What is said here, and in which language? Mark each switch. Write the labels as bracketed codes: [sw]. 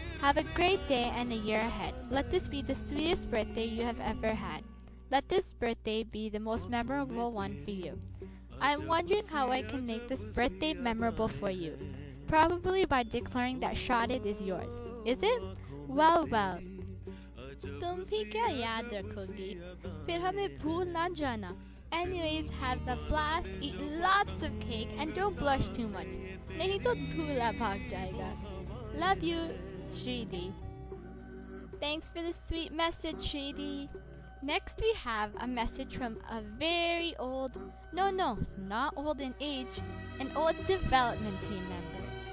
[en] Have a great day and a year ahead. Let this be the sweetest birthday you have ever had. Let this birthday be the most memorable one for you. I am wondering how I can make this birthday memorable for you. Probably by declaring that Shadid is yours, is it? Well. [hi] तुम भी क्या याद रखोगी? फिर हमे भूल न जाना. [en] Anyways, have the blast, eat lots of cake, and don't blush too much. [hi] Nahi to dhoola bhag jayega. [en] Love you, [hi] Shridi. [en] Thanks for the sweet message, Shridi. Next we have a message from a very old, not old in age, an old development team member.